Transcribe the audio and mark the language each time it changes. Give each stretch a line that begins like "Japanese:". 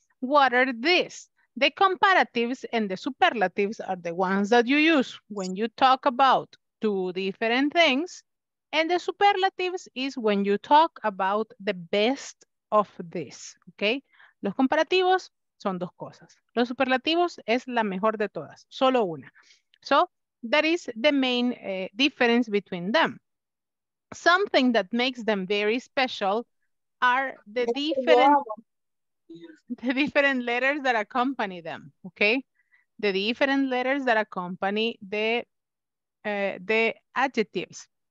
English: What are these? The comparatives and the superlatives are the ones that you use when you talk about two different things. And the superlatives is when you talk about the best of this, okay?
Spanish: Los comparativos son dos cosas. Los superlativos es la mejor de todas, solo una.
English: So that is the main difference between them. Something that makes them very special are the different... The different letters that accompany them, okay? The different letters that accompany the adjectives.